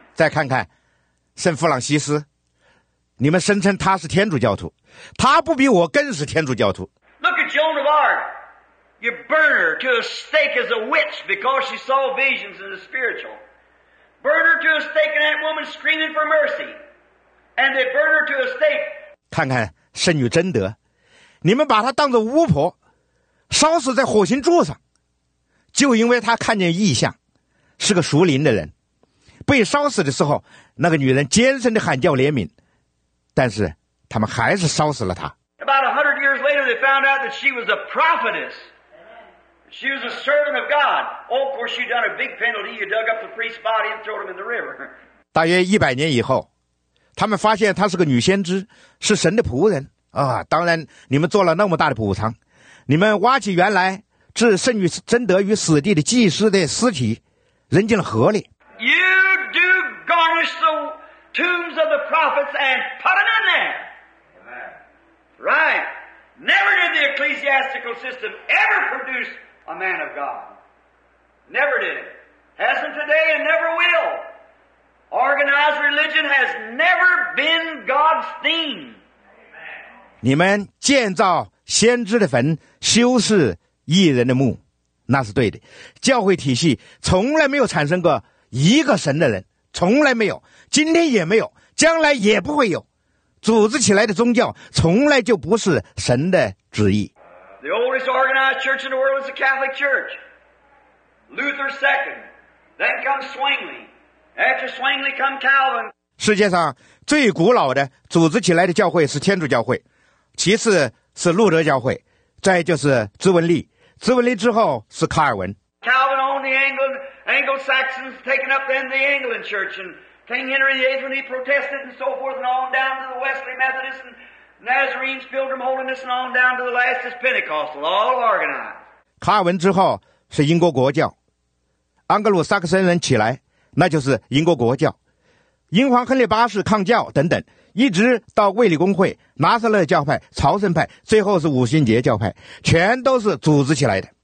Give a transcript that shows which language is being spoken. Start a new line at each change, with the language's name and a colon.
Chinese: 再看看圣弗朗西斯，你们声称他是天主教徒，他不比我更是天主教徒。
English: Look at Joan of Arc. You burn her to a stake as a witch because she saw visions in the spiritual. Burn her to a stake and that woman screaming for mercy. And they burn her to a stake.
Chinese: 看看圣女贞德，你们把她当作巫婆，烧死在火星柱上，就因为她看见异象，是个属灵的人。被烧死的时候，那个女人尖声地喊叫怜悯，但是他们还是烧死了她。
English: About 100 years later, they found out that she was a prophetess. She was a servant of God. Oh, of course, she done a big penalty. You dug up the priest's body and threw him in the river.
Chinese: 大约100年以后，他们发现她是个女先知，是神的仆人啊！当然，你们做了那么大的补偿，你们挖起原来置圣女贞德于死地的祭司的尸体，扔进了河里。
English: You do garnish the tombs of the prophets and put them in there. Right. Never did the ecclesiastical system ever produce a man of God. Never did it. Hasn't today and never will. Organized religion has never been God's theme.
Chinese: 你们建造先知的坟，修饰异人的墓，那是对的。教会体系从来没有产生过一个神的人，从来没有，今天也没有，将来也不会有。组织起来的宗教从来就不是神的旨意。
English: The oldest organized church in the world is the Catholic Church. Luther second, then comes Zwingli. After Swingley come Calvin.
Chinese: 世界上最古老的组织起来的教会是天主教会，其次是路德教会，再就是资文利，资文利之后是卡尔文。
English: Calvin owned the Anglo-Saxons, taken up then the England Church, and King Henry VIII when he protested and so forth, and on down to the Wesley Methodist and Nazarenes, Pilgrim Holiness, and on down to the last is Pentecostal, all organized.
Chinese: 卡尔文之后是英国国教，安格鲁萨克森人起来。那就是英国国教，英皇亨利八世抗教等等，一直到卫理公会、拿撒勒教派、朝圣派，最后是五旬节教派，全都是组织起来的。